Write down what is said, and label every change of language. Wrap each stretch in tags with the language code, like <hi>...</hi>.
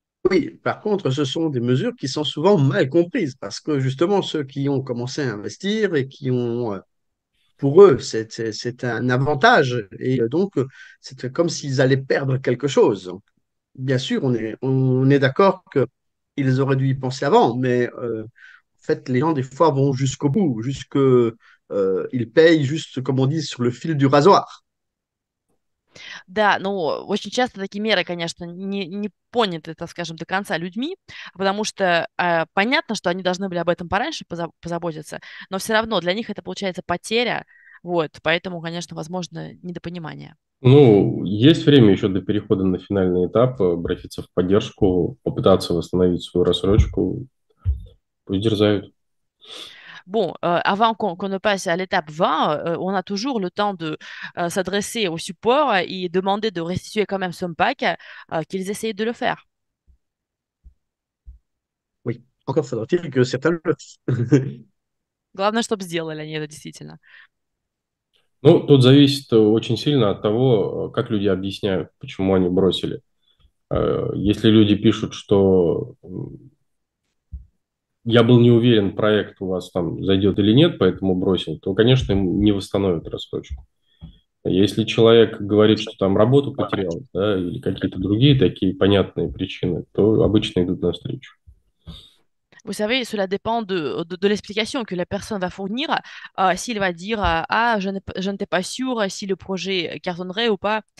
<fr>Oui, par contre, ce sont des mesures qui sont souvent mal comprises parce que justement, ceux qui ont commencé à investir et qui ont, pour eux, c'est un avantage et donc, c'est comme s'ils allaient perdre quelque chose. Bien sûr, on est d'accord qu'ils auraient dû y penser avant, mais en fait, les gens, des fois, vont jusqu'au bout, ils payent juste, comme on dit, sur le fil du rasoir.</fr> <ru>Да, ну, очень часто такие меры, конечно, не поняты, так скажем, до конца людьми, потому что понятно, что они должны были об этом пораньше позаботиться, но все равно для них это получается потеря, вот, поэтому, конечно, возможно, недопонимание. Ну, есть время еще до перехода на финальный этап обратиться в поддержку, попытаться восстановить свою рассрочку. Пусть дерзают.</ru> <fr>Bon, avant qu'on ne passe à l'étape 20, on a toujours le temps de s'adresser au support et demander de restituer quand même son pack, qu'ils essayent de le faire. Oui, encore faudra-t-il que certains le</fr> <ru>Главное, чтобы сделали они это действительно. Ну, тут зависит очень сильно от того, как люди объясняют, почему они бросили. Если люди пишут, что я был не уверен, проект у вас там зайдет или нет, поэтому бросил, то, конечно, им не восстановят рассрочку. Если человек говорит, что там работу потерял, да, или какие-то другие такие понятные причины, то обычно идут навстречу.</ru> <fr>Vous savez, cela dépend de l'explication que la personne va fournir. S'il va dire Ah, je n'étais pas sûr si le projet cartonnerait ou pas.</fr>